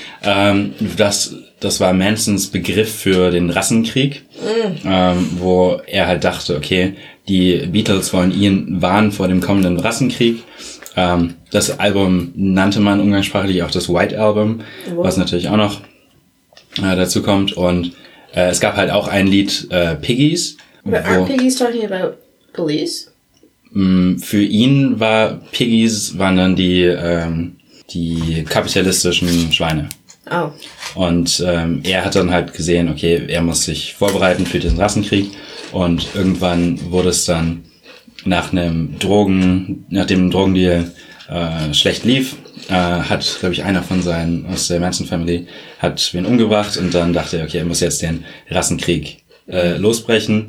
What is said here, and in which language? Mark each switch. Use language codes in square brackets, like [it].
[de] Das war Mansons Begriff für den Rassenkrieg, wo er halt dachte, okay, die Beatles wollen ihn warnen vor dem kommenden Rassenkrieg. Das Album nannte man umgangssprachlich auch das White Album, was natürlich auch noch dazu kommt. Und es gab halt auch ein Lied, Piggies. [en] But aren't Piggies talking about police? [de] Für ihn waren Piggies dann die kapitalistischen Schweine. Und er hat dann halt gesehen, okay, er muss sich vorbereiten für den Rassenkrieg. Und irgendwann wurde es dann nachdem ein Drogendeal schlecht lief, hat, glaube ich, einer von seinen aus der Manson Family hat wen umgebracht und dann dachte er, okay, er muss jetzt den Rassenkrieg losbrechen.